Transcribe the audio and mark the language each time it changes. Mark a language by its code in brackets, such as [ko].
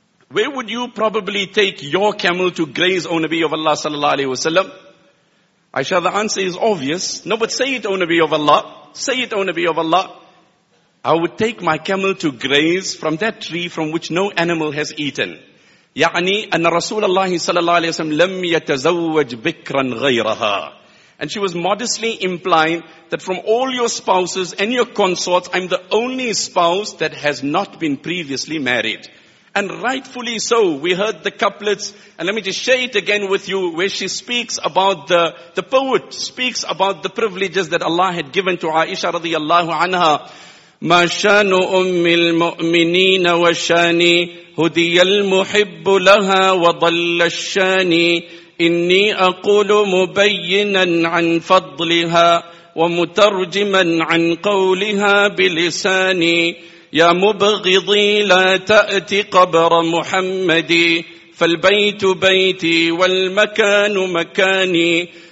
[en] Where would you probably take your camel to graze, O Nabi of Allah sallallahu alayhi wa sallam? Aisha, the answer is obvious. No, but say it, O Nabi of Allah. Say it, O Nabi of Allah. I would take my camel to graze from that tree from which no animal has eaten. [ar] يعني أن رسول الله صلى الله عليه وسلم لم يتزوج بكرا غيرها. [en] And she was modestly implying that from all your spouses and your consorts, I'm the only spouse that has not been previously married. And rightfully so, we heard the couplets, and let me just share it again with you, where she speaks about the poet speaks about the privileges that Allah had given to Aisha radiallahu anha. [ar] ما شان أم المؤمنين وشاني هدي المحب لها وضل الشاني إني أقول مبينا عن فضلها ومترجما عن قولها بلساني يا مبغضي لا تأتي قبر محمدي فالبيت بيتي والمكان مكاني